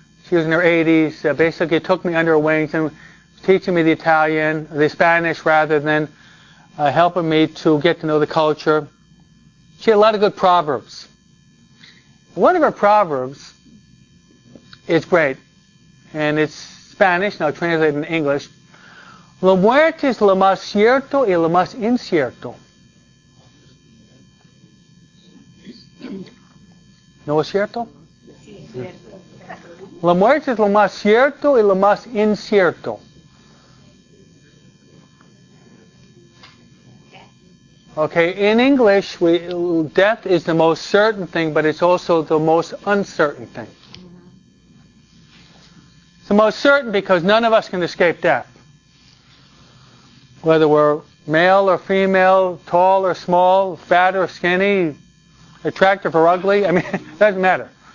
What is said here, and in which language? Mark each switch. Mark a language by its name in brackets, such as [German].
[English] She was in her 80s, basically took me under her wings and was teaching me the Spanish, than helping me to get to know the culture. She had a lot of good proverbs. One of her proverbs is great, and it's Spanish, now translated into English. [Spanish] La muerte es lo más cierto y lo más incierto. ¿No es cierto? La muerte es lo más cierto y lo más incierto. [English] Okay, in English, death is the most certain thing, but it's also the most uncertain thing. It's the most certain because none of us can escape death. Whether we're male or female, tall or small, fat or skinny, attractive or ugly, I mean, it doesn't matter.